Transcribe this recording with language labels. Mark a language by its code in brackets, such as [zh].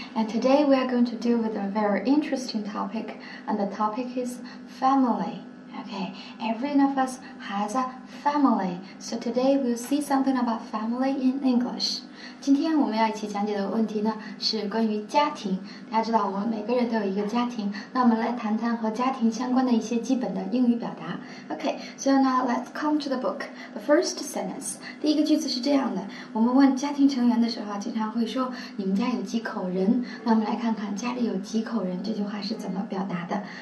[en] And today we are going to deal with a very interesting topic, and the topic is family. Okay, every one of us has a family. So today we'll see something about family in English. [zh] 今天我们要一起讲解的问题呢是关于家庭。大家知道我们每个人都有一个家庭，那我们来谈谈和家庭相关的一些基本的英语表达。 [en] Okay, so now let's come to the book. The first sentence. [zh] 第一个句子是这样的，我们问家庭成员的时候经常会说你们家有几口人，那我们来看看家里有几口人这句话是怎么表达的。